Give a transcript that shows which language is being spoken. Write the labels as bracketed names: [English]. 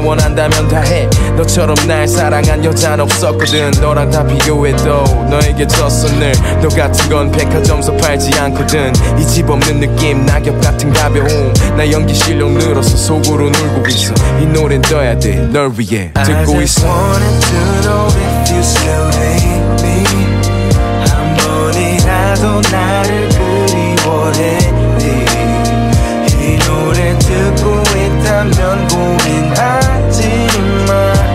[Korean] 원한다면 다 해. 너처럼 날 사랑한 여잔 없었거든. 너랑 다 비교해도 너에게 졌어 늘. 너 같은 건 백화점서 팔지 않거든. 이 집 없는 느낌 낙엽 같은 가벼움. 나 연기 실력 늘어서 속으로 울고 있어. 이 노래는 떠야 돼. 널 위해 듣고 있어. [English] I just wanted to know if you still hate me. [Korean] 한 번이라도 나를 그리워했니. 이 노래 듣고 있다면 고민하지 마.